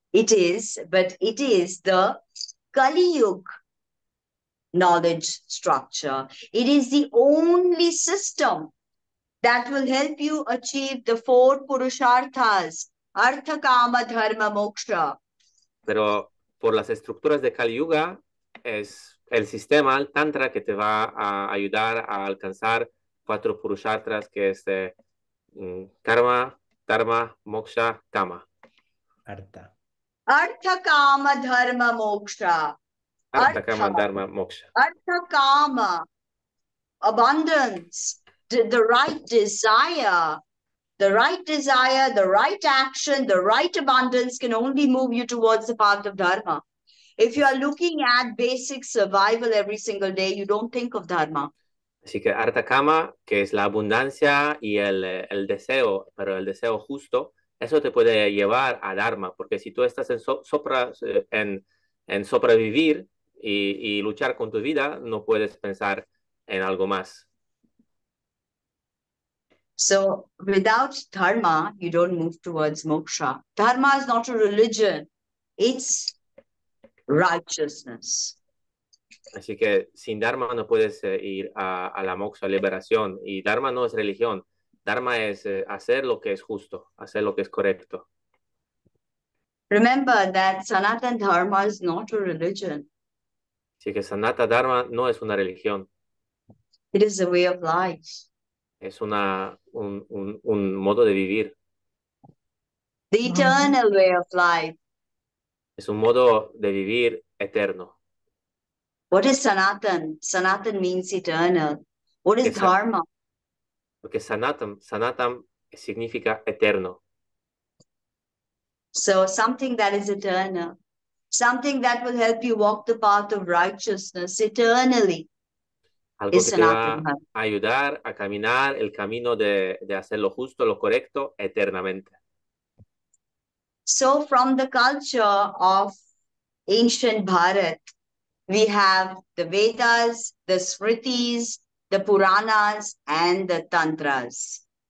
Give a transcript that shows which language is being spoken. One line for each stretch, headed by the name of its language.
English: But it is the Kali Yuga knowledge structure. It is the only system that will help you achieve the four purusharthas, artha, kama, dharma, moksha.
Spanish: Pero por las estructuras de Kali Yuga, es el sistema, el tantra, que te va a ayudar a alcanzar cuatro purusharthas, que es karma, dharma, moksha, kama.
English: Artha. Artha, kama, dharma, moksha. Artha, kama, dharma, moksha. Artha, kama, abundance, the right desire. The right desire, the right action, the right abundance can only move you towards the path of dharma. If you are looking at basic survival every single day, you don't think of dharma.
Spanish: Así que artha, kama, que es la abundancia y el deseo, pero el deseo justo, eso te puede llevar a dharma, porque si tú estás en sobrevivir y luchar con tu vida, no puedes pensar en algo más.
English: So without dharma, you don't move towards moksha. Dharma is not a religion; it's righteousness.
Spanish: Así que sin dharma no puedes ir a la moksha, liberación. Y dharma no es religión. Dharma es hacer lo que es justo, hacer lo que es correcto.
English: Remember that Sanatan Dharma is not a religion.
Spanish: Así que Sanatan Dharma no es una religión.
English: It is a way of life.
Spanish: Es un modo de vivir.
English: The eternal way of life.
Spanish: Es un modo de vivir eterno.
English: What is Sanatan? Sanatan means eternal. What is dharma?
Spanish: Porque sanatam significa eterno.
English: So something that is eternal. Something that will help you walk the path of righteousness eternally.
Spanish: Algo que te va a ayudar a caminar el camino de hacer lo justo, lo correcto, eternamente.
English: So from the culture of ancient Bharat, we have the Vedas, the Smritis, the Puranas, and the Tantras.